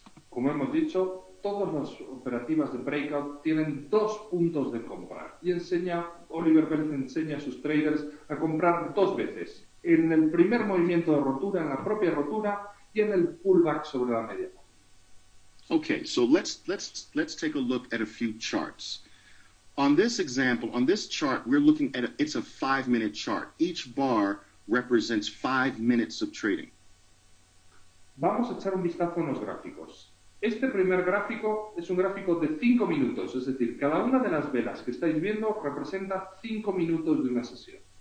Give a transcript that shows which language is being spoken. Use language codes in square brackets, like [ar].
[es] Como hemos dicho, todas las operativas de breakout tienen dos puntos de compra. Y enseña, Oliver Vélez enseña a sus traders a comprar dos veces. En el primer movimiento de rotura, en la propia rotura, y en el pullback sobre la media. [en] Okay, so let's take a look at a few charts. On this example, on this chart, we're looking at, it's a 5-minute chart. Each bar represents 5 minutes of trading. [es] Vamos a echar un vistazo a los gráficos. Este primer gráfico es un gráfico de 5 minutos, es decir, cada una de las velas que estáis viendo representa 5 minutos de una sesión.